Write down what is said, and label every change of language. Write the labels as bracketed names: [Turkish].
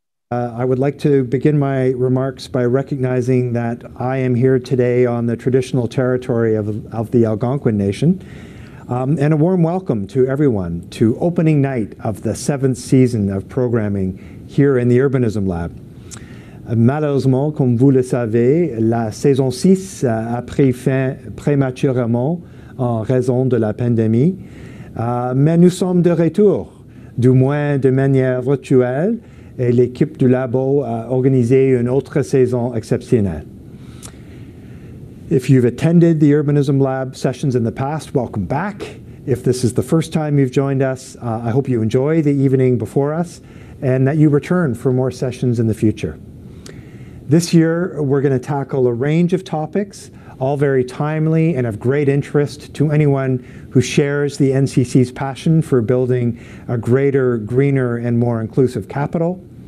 [English] I would like to begin my remarks by recognizing that I am here today on the traditional territory of the Algonquin Nation. And a warm welcome to everyone to opening night of the seventh season of programming here in the Urbanism Lab. [French] Malheureusement, comme vous le savez, la saison 6 a pris fin prématurément en raison de la pandémie. Mais nous sommes de retour, du moins de manière virtuelle, et l'équipe du Labo a organisé une autre saison exceptionnelle. [English] If you've attended the Urbanism Lab sessions in the past, welcome back. If this is the first time you've joined us, I hope you enjoy the evening before us and that you return for more sessions in the future. This year, we're going to tackle a range of topics, all very timely and of great interest to anyone who shares the NCC's passion for building a greater, greener, and more inclusive capital.